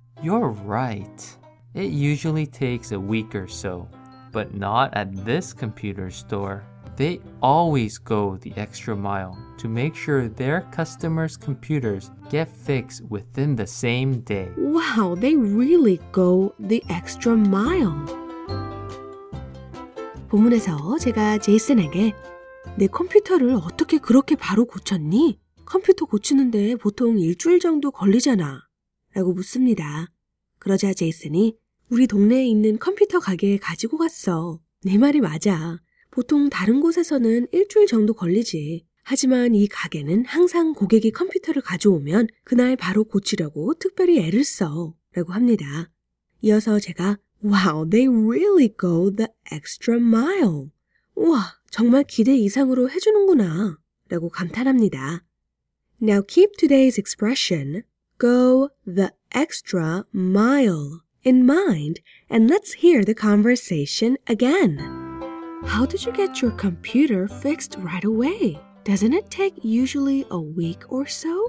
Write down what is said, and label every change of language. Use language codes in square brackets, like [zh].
[en] You're right. It usually takes a week or so, but not at this computer store. They always go the extra mile to make sure their customers' computers get fixed within the same day. Wow, they really go the extra mile. [ko] 본문에서 제가 제이슨에게 내 컴퓨터를 어떻게 그렇게 바로 고쳤니? 컴퓨터 고치는데 보통 일주일 정도 걸리잖아. 라고 묻습니다. 그러자 제이슨이 우리 동네에 있는 컴퓨터 가게에 가지고 갔어. 내 말이 맞아. 보통 다른 곳에서는 일주일 정도 걸리지. 하지만 이 가게는 항상 고객이 컴퓨터를 가져오면 그날 바로 고치려고 특별히 애를 써. 라고 합니다. 이어서 제가 [en] Wow, they really go the extra mile. [ko] 우와, 정말 기대 이상으로 해주는구나. 라고 감탄합니다. [en] Now keep today's expression, go the extra mile, in mind, and let's hear the conversation again. How did you get your computer fixed right away? Doesn't it take usually a week or so?